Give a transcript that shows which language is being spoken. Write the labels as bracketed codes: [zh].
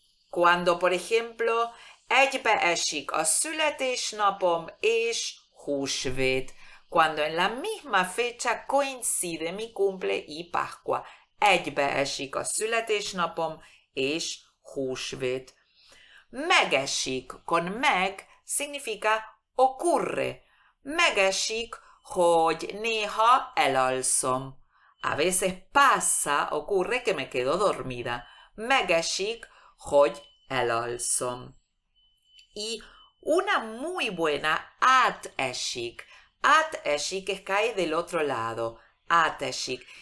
[es] Cuando, por ejemplo, [hu] egybeesik a születésnapom és húsvét. [es] Cuando en la misma fecha coincide mi cumple y Pascua. [hu] Egybeesik a születésnapom és húsvét. [es] Megesik. Con meg significa ocurre. [hu] Megesik, hogy néha elalszom. [es] A veces pasa, ocurre que me quedo dormida. [hu] Megesik, hogy elalszom. [es] Y una muy buena, átesik. Átesik es cae del otro lado. Átesik.